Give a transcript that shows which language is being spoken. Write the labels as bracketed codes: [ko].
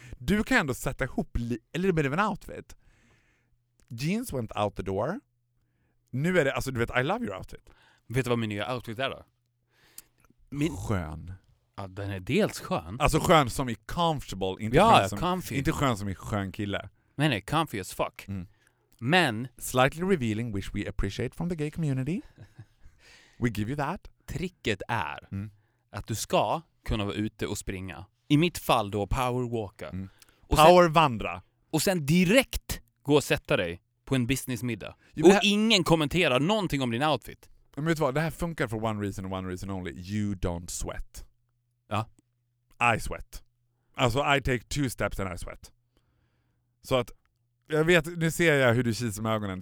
[sv] Du kan ändå sätta ihop [en] a little bit of an outfit. Jeans went out the door. [sv] Nu är det, alltså du vet, [en] I love your outfit. [sv] Vet du vad min nya outfit är då? Min skön. Ja, den är dels skön. Alltså skön som är comfortable. Inte ja, skön som, [en] comfy. [sv] Inte skön som är skön kille. Men är [en] comfy as fuck. Mm. [sv] Men [en] slightly revealing, which we appreciate from the gay community. We give you that. [sv] Tricket är att du ska kunna vara ute och springa. I mitt fall då, power walka. Mm. Power sen, vandra. Och sen direkt gå och sätta dig på en businessmiddag. Jo, och här, ingen kommenterar någonting om din outfit. Men vet du vad? Det här funkar för [en] one reason and one reason only. You don't sweat. [sv] Ja. [en] I sweat. [sv] Alltså [en] I take 2 steps and I sweat. [sv] Så att jag vet, nu ser jag hur du kisar med ögonen.